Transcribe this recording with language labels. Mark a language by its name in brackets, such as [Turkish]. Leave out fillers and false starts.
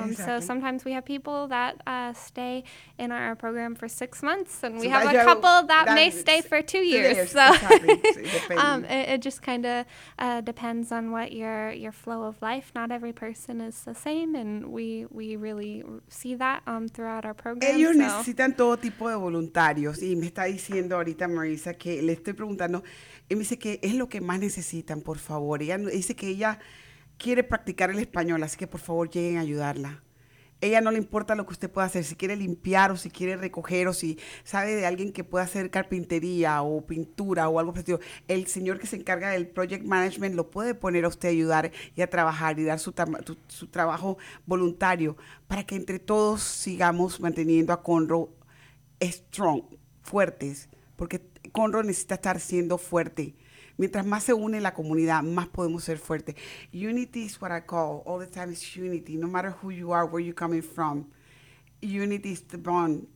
[English] So sometimes we have people that stay in our program for 6 months, and we have a couple that may stay for 2 years. So it just kind of depends on what your flow of life. Not every person is the same, and we really see that throughout our program. [Spanish] Ellos [English] so. [Spanish] Necesitan todo tipo de voluntarios, y me está diciendo ahorita Marisa que le estoy preguntando, y me dice que es lo que más necesitan, por favor. Ella dice que ella quiere practicar el español, así que por favor lleguen a ayudarla. Ella no le importa lo que usted pueda hacer, si quiere limpiar o si quiere recoger o si sabe de alguien que pueda hacer carpintería o pintura o algo parecido. El señor que se encarga del project management lo puede poner a usted a ayudar y a trabajar y dar su trabajo voluntario para que entre todos sigamos manteniendo a Conroe strong, fuertes, porque Conroe necesita estar siendo fuerte. Mientras más se une la comunidad, más podemos ser fuertes. [English] Unity is what I call. All the time is unity. No matter who you are, where you're coming from, unity is the bond.